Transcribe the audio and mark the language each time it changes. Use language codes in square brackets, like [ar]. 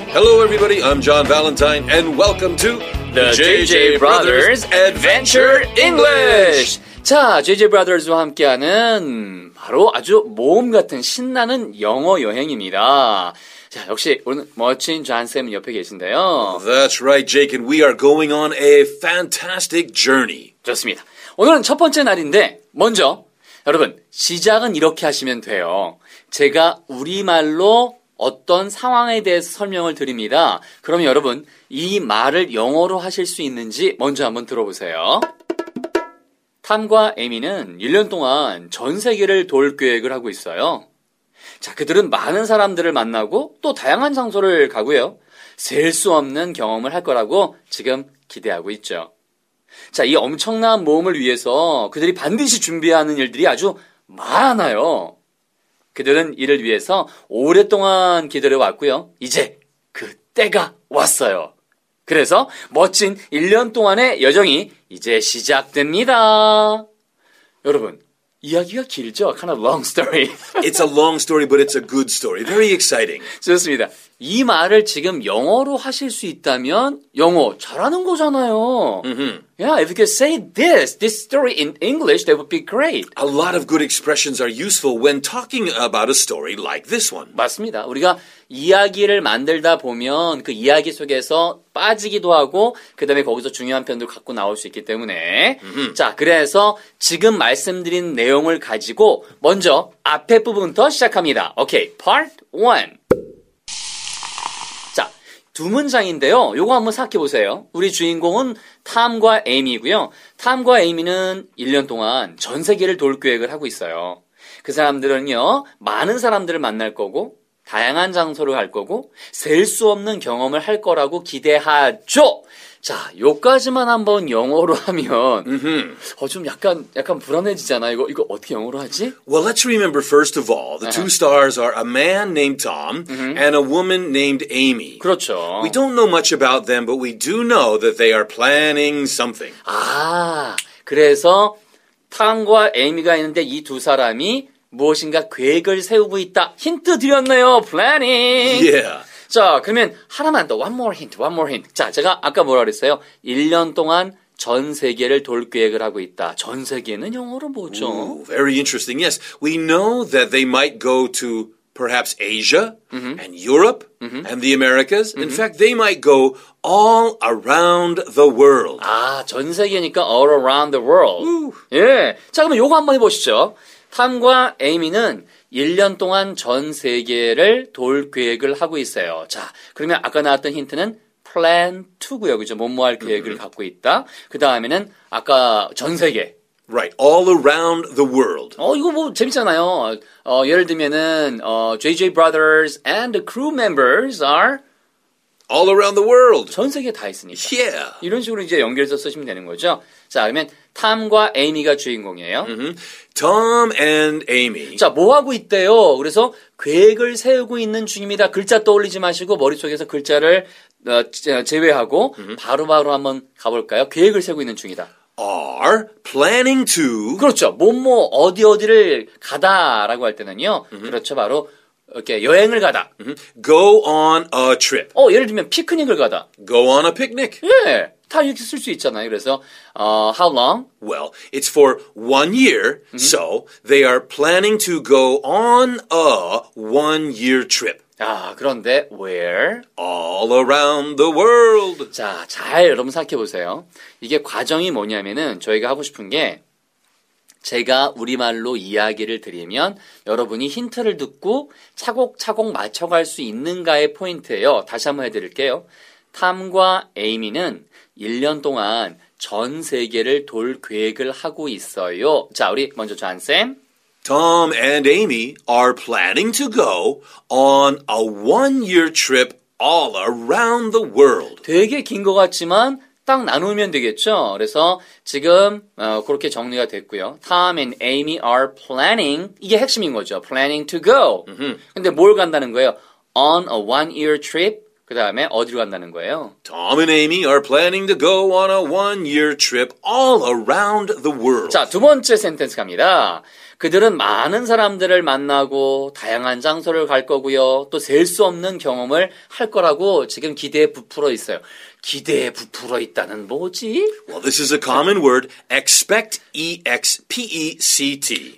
[en] Hello everybody. I'm John Valentine and welcome to the JJ Brothers Adventure English. [ko] 자, JJ Brothers와 함께하는 바로 아주 모험 같은 신나는 영어 여행입니다. 자, 역시 오늘 멋진 존쌤 옆에 계신데요. [en] That's right, Jake, and we are going on a fantastic journey. [ko] 좋습니다. 오늘은 첫 번째 날인데 먼저 여러분 시작은 이렇게 하시면 돼요. 제가 우리말로 어떤 상황에 대해서 설명을 드립니다. 그럼 여러분, 이 말을 영어로 하실 수 있는지 먼저 한번 들어보세요. 탐과 에미는 1년 동안 전 세계를 돌 계획을 하고 있어요. 자, 그들은 많은 사람들을 만나고 또 다양한 장소를 가고요. 셀 수 없는 경험을 할 거라고 지금 기대하고 있죠. 자, 이 엄청난 모험을 위해서 그들이 반드시 준비하는 일들이 아주 많아요. 그들은 이를 위해서 오랫동안 기다려왔고요. 이제 그 때가 왔어요. 그래서 멋진 1년 동안의 여정이 이제 시작됩니다. 여러분, 이야기가 길죠? [en] Kind of long story. It's a long story, but it's a good story. Very exciting. [ko] 좋습니다. 이 말을 지금 영어로 하실 수 있다면 영어 잘하는 거잖아요. Mm-hmm. [en] Yeah, if you could say this story in English, that would be great. A lot of good expressions are useful when talking about a story like this one. [ko] 맞습니다. 우리가 이야기를 만들다 보면 그 이야기 속에서 빠지기도 하고 그 다음에 거기서 중요한 편도 갖고 나올 수 있기 때문에 mm-hmm. 자, 그래서 지금 말씀드린 내용을 가지고 먼저 앞에 부분부터 시작합니다. [en] Okay, part 1. [ko] 두 문장인데요. 요거 한번 생각해 보세요. 우리 주인공은 탐과 에이미고요. 탐과 에이미는 1년 동안 전 세계를 돌 계획을 하고 있어요. 그 사람들은요. 많은 사람들을 만날 거고 다양한 장소를 갈 거고 셀 수 없는 경험을 할 거라고 기대하죠. 자, 요까지만 한번 영어로 하면 좀 약간 불안해지잖아요. 이거 어떻게 영어로 하지? [en] Well, let's remember first of all, the two stars are a man named Tom and a woman named Amy. [ko] 그렇죠. [en] We don't know much about them, but we do know that they are planning something. [ko] 아, 그래서 탐과 에이미가 있는데 이 두 사람이 무엇인가 계획을 세우고 있다. 힌트 드렸네요. Planning. [en] Yeah. [ko] 자, 그러면 하나만 더. [en] One more hint. [ko] 자, 제가 아까 뭐라 그랬어요? 1년 동안 전 세계를 돌 계획을 하고 있다. 전 세계는 영어로 뭐죠? [en] Ooh, very interesting. Yes, we know that they might go to perhaps Asia and Europe and the Americas. In fact, they might go all around the world. [ko] 아, 전 세계니까 [en] all around the world. Ooh. [ko] 예. 자, 그럼 요거 한번 해보시죠. 탐과 에이미는 1년 동안 전 세계를 돌 계획을 하고 있어요. 자, 그러면 아까 나왔던 힌트는 plan to고요. 그죠? 뭐뭐 할 계획을 갖고 있다. 그 다음에는 아까 전 세계. [en] Right. All around the world. [ko] 어, 이거 뭐 재밌잖아요. 예를 들면은 [en] JJ Brothers and the crew members are all around the world. [ko] 전 세계에 다 있으니까. [en] Yeah. [ko] 이런 식으로 이제 연결해서 쓰시면 되는 거죠. 자, 그러면 탐과 에이미가 주인공이에요. [en] Tom and Amy. [ko] 자, 뭐 하고 있대요? 그래서 계획을 세우고 있는 중입니다. 글자 떠올리지 마시고 머릿속에서 글자를 제외하고 바로 한번 가볼까요? 계획을 세우고 있는 중이다. [en] Are planning to. [ko] 그렇죠. 뭐뭐 어디 어디를 가다라고 할 때는요. 그렇죠. 바로 이렇게 여행을 가다. [en] Go on a trip. [ko] 어, 예를 들면 피크닉을 가다. [en] Go on a picnic. [ko] 예. 다 이렇게 쓸 수 있잖아요. 그래서 [en] how long? Well, it's for one year, so they are planning to go on a one-year trip. [ko] 아, 그런데 where? [en] All around the world. [ko] 자, 잘 여러분 생각해 보세요. 이게 과정이 뭐냐면은 저희가 하고 싶은 게 제가 우리말로 이야기를 드리면 여러분이 힌트를 듣고 차곡차곡 맞춰갈 수 있는가의 포인트예요. 다시 한번 해드릴게요. 탐과 에이미는 1년 동안 전 세계를 돌 계획을 하고 있어요. 자, 우리 먼저 존쌤. [en] Tom and Amy are planning to go on a one-year trip all around the world. [ko] 되게 긴 것 같지만 딱 나누면 되겠죠. 그래서 지금 그렇게 정리가 됐고요. [en] Tom and Amy are planning. [ko] 이게 핵심인 거죠. [en] Planning to go. [ko] 근데 뭘 간다는 거예요? [en] On a one-year trip. [ko] 그 다음에 어디로 간다는 거예요? [en] Tom and Amy are planning to go on a one-year trip all around the world. [ko] 자, 두 번째 sentence 갑니다. 그들은 많은 사람들을 만나고 다양한 장소를 갈 거고요. 또 셀 수 없는 경험을 할 거라고 지금 기대에 부풀어 있어요. 기대에 부풀어 있다는 뭐지? [en] Well, this is a common word. Expect, E-X-P-E-C-T.